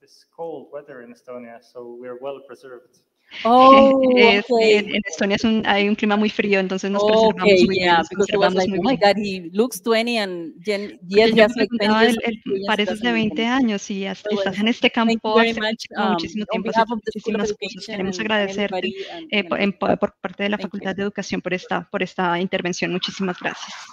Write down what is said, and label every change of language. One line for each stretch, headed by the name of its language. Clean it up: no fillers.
English: Cold weather in Estonia, so we're well preserved. Oh, okay.
Spanish: En Estonia hay un clima muy frío, entonces nos preservamos okay, muy yeah, bien.
English: Because it was like, oh my God, he looks 20 and yet he has like 20 years.
Spanish: Pareces de 20 años y estás en este campo hace muchísimo tiempo. Muchísimas cosas. Queremos agradecerte por parte de la Facultad de Educación por esta intervención. Muchísimas gracias.